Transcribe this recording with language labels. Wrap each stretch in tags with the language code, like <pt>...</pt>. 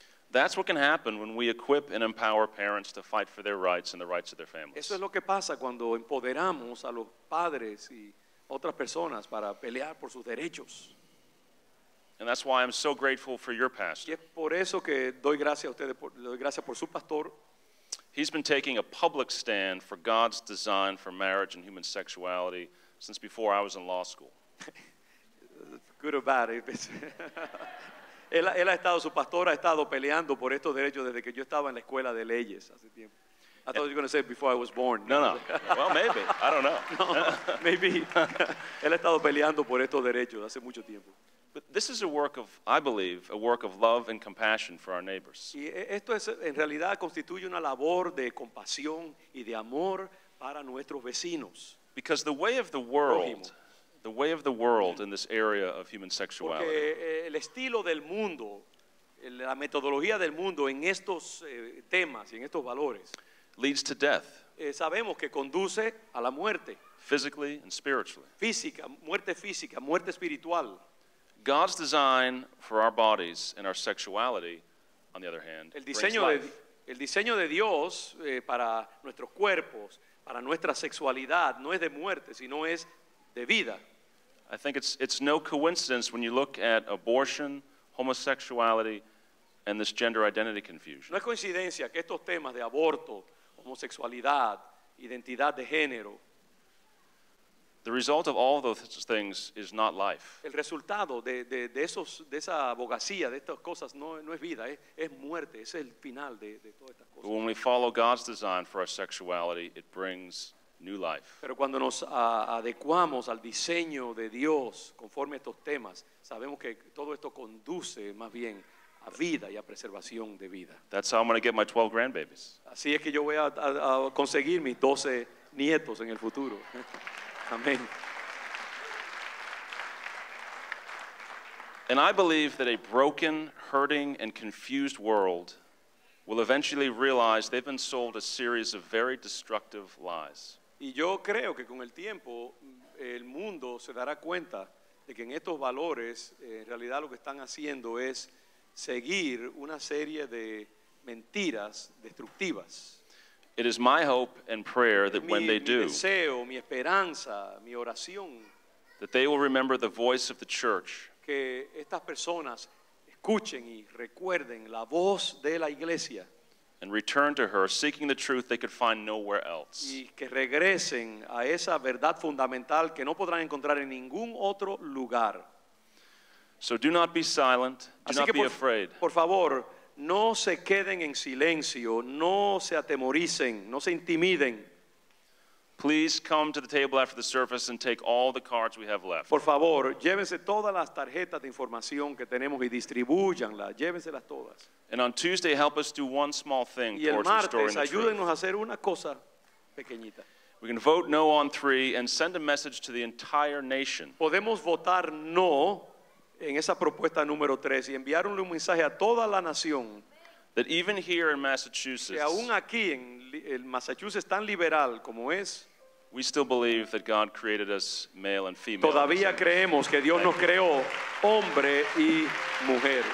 <en>That's what can happen when we equip and empower parents to fight for their rights and the rights of their families.</en> <es>Eso es lo que pasa cuando empoderamos a los padres y otras personas para pelear por sus derechos.</es> <en>And that's why I'm so grateful for your pastor.</en> <es>Y es por eso que doy gracias a ustedes, doy gracias por su pastor.</es> <en>He's been taking a public stand for God's design for marriage and human sexuality since before I was in law school. Good or bad, it's...</en> <es>Él ha estado, su pastor ha estado peleando por estos derechos desde que yo estaba en la escuela de leyes hace tiempo.</es> <en>I thought you were going to say before I was born. No. Well, maybe. I don't know. No, maybe.</en> <es>Él ha estado peleando por estos derechos hace mucho tiempo.</es> <en>But this is a work of, I believe, a work of love and compassion for our neighbors.</en> <es>Y esto es, en realidad constituye una labor de compasión y de amor para nuestros vecinos.</es> <en>Because the way of the world... The way of the world in this area of human sexuality.</en> <es>Porque el estilo del mundo, la metodología del mundo en estos temas y en estos valores.</es> <en>Leads to death.</en> <es>Sabemos que conduce a la muerte.</es> <en>Physically and spiritually.</en> <es>Física, muerte espiritual.</es> <en>God's design for our bodies and our sexuality, on the other hand, brings life.</en> <es>El diseño de Dios para nuestros cuerpos, para nuestra sexualidad, no es de muerte, sino es de vida.</es> <en>I think it's no coincidence when you look at abortion, homosexuality, and this gender identity confusion.</en> <es>No es coincidencia que estos temas de aborto, homosexualidad, identidad de género.</es> <en>The result of all those things is not life.</en> <es>El resultado de esa abogacía, de estas cosas, no es vida, es muerte, es el final de todas estas cosas.</es> <en>But when we follow God's design for our sexuality, it brings new life.</en> <es>Pero cuando nos adecuamos al diseño de Dios conforme a estos temas, sabemos que todo esto conduce más bien a vida y a preservación de vida.</es> <en>That's how I'm going to get my 12 grandbabies.</en> <es>Así es que yo voy a conseguir mis 12 nietos en el futuro. Amén.</es> <en>And I believe that a broken, hurting, and confused world will eventually realize they've been sold a series of very destructive lies.</en> <es>Y yo creo que con el tiempo el mundo se dará cuenta de que en estos valores en realidad lo que están haciendo es seguir una serie de mentiras destructivas.</es> <en>It is my hope and prayer that when they do,</en> <es>mi deseo, mi esperanza, mi oración,</es> <en>that they will remember the voice of the church.</en> <es>Que estas personas escuchen y recuerden la voz de la iglesia.</es> <en>And return to her, seeking the truth they could find nowhere else.</en> <es>Y que regresen a esa verdad fundamental que no podrán encontrar en ningún otro lugar.</es> <en>So do not be silent. Do</en> <es>Así</es> <en>not</en> <es>que</es> <en>be afraid.</en> <es>Por favor, no se queden en silencio. No se atemoricen. No se intimiden.</es> <en>Please come to the table after the service and take all the cards we have left.</en> <es>Por favor, llévense todas las tarjetas de información que tenemos y distribúyanlas. Llévenselas todas.</es> <en>And on Tuesday, help us do one small thing</en> <es>y el</es> <en>towards</en> <es>martes,</es> <en>restoring the truth.</en> <es>Ayúdennos a hacer una cosa pequeñita.</es> <en>We can vote no on three and send a message to the entire nation.</en> <es>Podemos votar no en esa propuesta número tres y enviar un mensaje a toda la nación.</es> <en>That even here in Massachusetts,</en> <es>que aún aquí en el Massachusetts tan liberal como es,</es> <en>we still believe that God created us male and female.</en> <es>Todavía creemos que Dios nos creó hombre y mujer.</es>